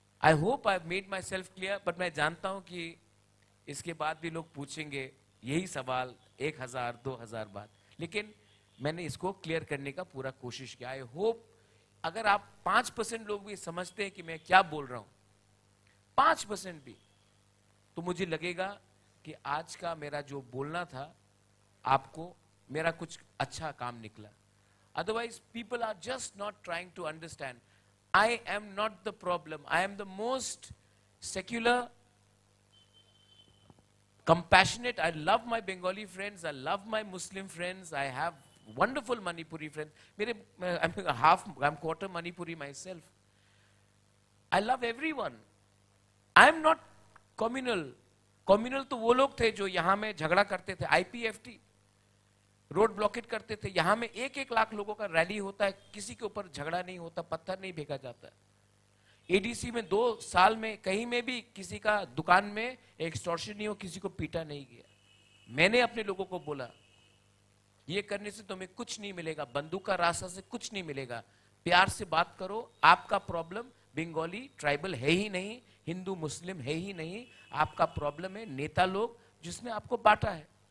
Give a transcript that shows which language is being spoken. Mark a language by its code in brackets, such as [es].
[en] I hope I have made myself clear, but [hi] मैं जानता हूं कि इसके बाद भी लोग पूछेंगे यही सवाल 1000-2000 बार, लेकिन मैंने इसको क्लियर करने का पूरा कोशिश किया। आई होप अगर आप 5% लोग भी समझते हैं कि मैं क्या बोल रहा हूं, 5% भी, तो मुझे लगेगा कि आज का मेरा जो बोलना था आपको, मेरा कुछ अच्छा काम निकला। [en] otherwise people are just not trying to understand, I am not the problem, I am the most secular compassionate, I love my Bengali friends, I love my Muslim friends, I have wonderful Manipuri friends, I'm quarter Manipuri myself, I love everyone, I am not communal, [hi] communal to wo log the jo yahan mein jhagda karte the, IPFT, road blockade karte the, yahan mein 1-1 lakh logo ka rally hota hai, kisi ke upar jhagda nahi hota, patthar nahi bheka jata, ADC में 2 साल में कहीं में भी किसी का दुकान में एक्सटॉर्शन नहीं हो, किसी को पीटा नहीं गया। मैंने अपने लोगों को बोला ये करने से तुम्हें कुछ नहीं मिलेगा, बंदूक का रास्ता से कुछ नहीं मिलेगा, प्यार से बात करो, आपका प्रॉब्लम बंगाली ट्राइबल है ही नहीं, हिंदू मुस्लिम है ही नहीं, आपका प्रॉब्लम है नेता लोग जिसने आपको बांटा है।